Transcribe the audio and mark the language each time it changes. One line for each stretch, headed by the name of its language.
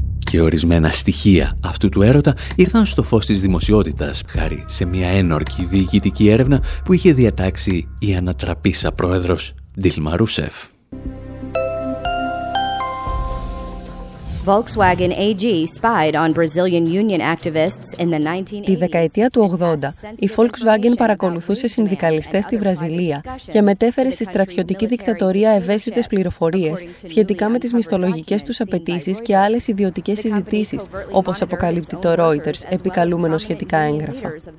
Greek: Και ορισμένα στοιχεία αυτού του έρωτα ήρθαν στο φως της δημοσιότητας χάρη σε μια ένορκη διοικητική έρευνα που είχε διατάξει η ανατραπήσα πρόεδρος Ντίλμα Ρουσέφ.
English: Volkswagen AG spied on Brazilian union activists in the 1980s.
Greek: Τη δεκαετία του 80, η Volkswagen παρακολουθούσε συνδικαλιστές στη Βραζιλία και μετέφερε στη στρατιωτική δικτατορία ευαίσθητες πληροφορίες σχετικά με τις μισθολογικές τους απαιτήσεις και άλλες ιδιωτικές συζητήσεις, όπως αποκαλύπτει το Reuters, επικαλούμενο σχετικά έγγραφα.